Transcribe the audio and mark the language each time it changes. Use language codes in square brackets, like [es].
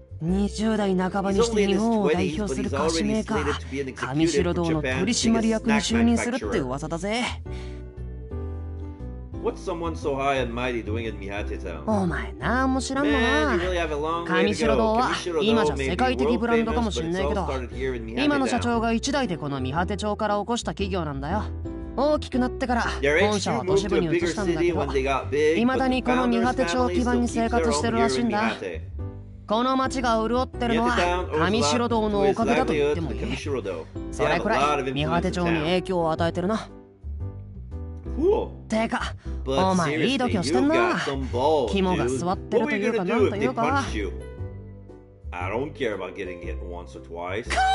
[en] He's only in his 20s, but he's already slated to be an executive for Japan's biggest snack manufacturer. What's someone so high and mighty doing in Mihate Town? Oh my, man, you really have a long way to go. Kamishiro-do may be world famous, but it's all started here in Mihate Town. [ja] 今の社長が一代でこの三畑町から起こした企業なんだよ。大きくなってから本社を都市部に移したんだけど、いまだにこの三畑町基盤に生活してるらしいんだ。この町が潤ってるのは上城堂のおかげだと言ってもいい。それくらい三畑町に影響を与えてるな。てか、お前いい度胸してんな。肝が座ってるというかなんというか。 [en] I don't care about getting hit once or twice.